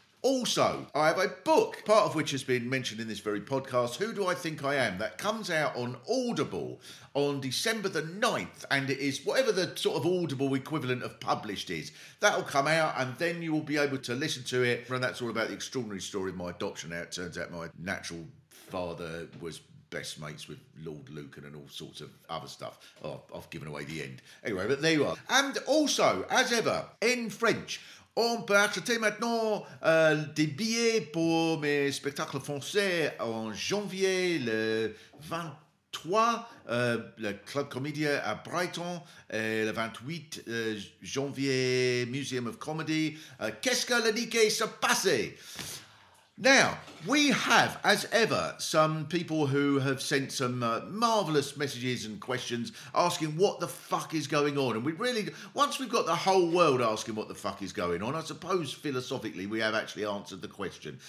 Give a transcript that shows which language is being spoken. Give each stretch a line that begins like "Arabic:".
English: Also, I have a book, part of which has been mentioned in this very podcast, Who Do I Think I Am?, that comes out on Audible on December the 9th, and it is whatever the sort of Audible equivalent of published is. That'll come out, and then you will be able to listen to it. And that's all about the extraordinary story of my adoption. Now, it turns out my natural father was best mates with Lord Lucan and all sorts of other stuff. Oh, I've given away the end. Anyway, but there you are. And also, as ever, in French,
French: on peut acheter maintenant des billets pour mes spectacles français en janvier le 23, le Club Comédia à Brighton, et le 28 janvier, Museum of Comedy. Qu'est-ce que l'année qui se passe?
English: Now, we have, as ever, some people who have sent some marvellous messages and questions asking what the fuck is going on. And we really, once we've got the whole world asking what the fuck is going on, I suppose philosophically we have actually answered the question.